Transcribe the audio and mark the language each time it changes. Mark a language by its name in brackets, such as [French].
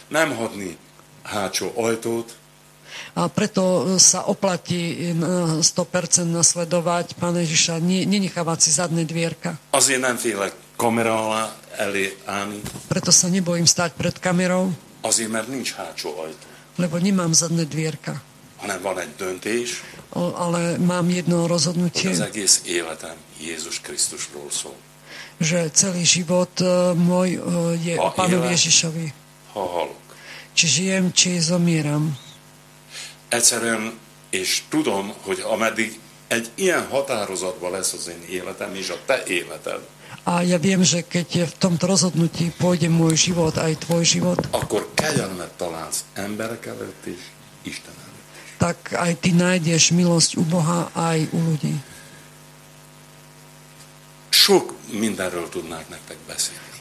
[Hungarian] Nem hodni hátsó ajtót. [Slovak] A preto sa oplatí 100% nasledovať Pána Ježiša, nenechávať si zadné dvierka. [Hungarian] Azért nem félek kamerála elé állni. [Slovak] Preto sa nebojím stáť pred kamerou. [Hungarian] Azért, mert nincs hátsó ajtó. [Slovak] Lebo nemám zadné dvierka. [Hungarian] Hanem van egy döntés. [Slovak] Ale mám jedno rozhodnutie. [Hungarian] Hogy az egész életem Jézus Krisztusról szól. [Slovak] Že celý život môj je o Pánu Ježišovi. [Hungarian] Ha halok. [Slovak] Či žijem, či zomieram. [Hungarian] Egyszerűen, és tudom, hogy ameddig egy ilyen határozatban lesz az én életem és a te életed. [Slovak] A ja viem, že keď v tomto rozhodnutí pôjde môj život, aj tvoj život. [Hungarian] Akkor kegyelmet találsz emberek előtt is, Isten előtt. [Slovak] Tak aj ty nájdeš milosť u Boha, aj u ľudí. [Hungarian] Sok mindenről tudnák nektek beszélni.